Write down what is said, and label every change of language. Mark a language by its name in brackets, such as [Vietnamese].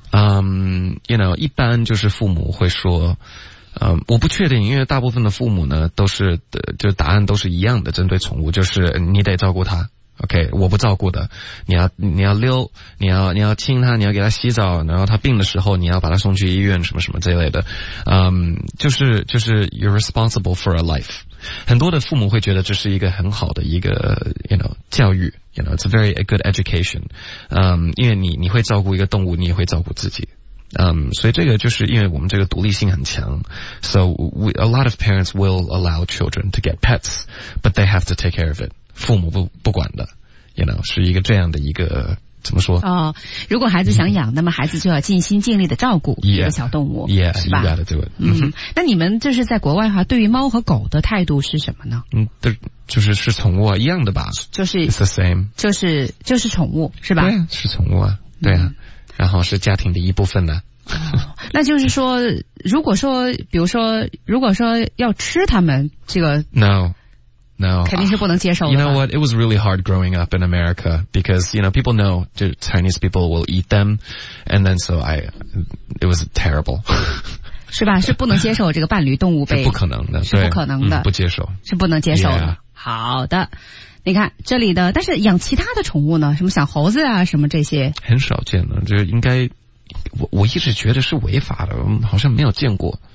[Chinese] you know, 一般就是父母会说，我不确定，因为大部分的父母呢都是就答案都是一样的，针对宠物就是你得照顾它 ，OK， 我不照顾的，你要溜，你要亲它，你要给它洗澡，然后它病的时候你要把它送去医院什么什么这类的，就是 [English] you're responsible for a life， [Chinese] 很多的父母会觉得这是一个很好的一个 [English] you know [Chinese] 教育。 [English] You know, it's a good education. [Chinese] 因为你会照顾一个动物，你也会照顾自己。所以这个就是因为我们这个独立性很强。 [English] So, a lot of parents will allow children to get pets, but they have to take care of it. [Chinese] 父母不管的。 [English] You know, [Chinese] 是一个这样的一个怎么说？哦，如果孩子想养，那么孩子就要尽心尽力的照顾一个小动物， [English] yeah, [Chinese] 是吧？ [English] You gotta do it. [Chinese] 嗯，那你们就是在国外的话，对于猫和狗的态度是什么呢？嗯，对，就是是宠物啊，一样的吧？就是 [English] it's the same， [Chinese] 就是宠物是吧？对，是宠物啊，对啊，然后是家庭的一部分呢、啊。那就是说，如果说，比如说，如果说要吃它们，这个 [English] no。 No, [Chinese] 肯定是不能接受的。 [English] You know what? It was really hard growing up in America because, you know, people know Chinese people will eat them. And then so it was terrible. [Chinese] 是吧？是不能接受这个伴侣动物被。是不可能的。是不可能的。不接受。是不能接受的。 [English] Yeah. [Chinese] 好的。你看这里的，但是养其他的宠物呢，什么小猴子啊，什么这些。很少见的，就是应该我一直觉得是违法的，好像没有见过。